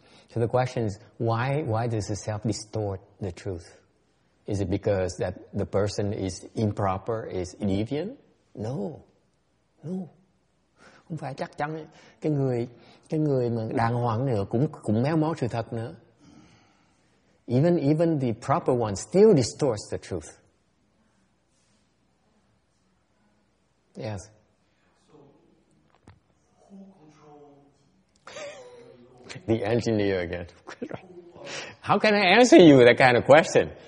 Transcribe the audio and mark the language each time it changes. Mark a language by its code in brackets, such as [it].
[en] So the question is, why does the self distort the truth? Is it because that the person is improper, is deviant? No. [vi] Không phải chắc chắn cái người mà đàng hoàng nữa cũng méo mó sự thật nữa. [en] Even the proper one still distorts the truth. Yes. The engineer again. How can I answer you that kind of question?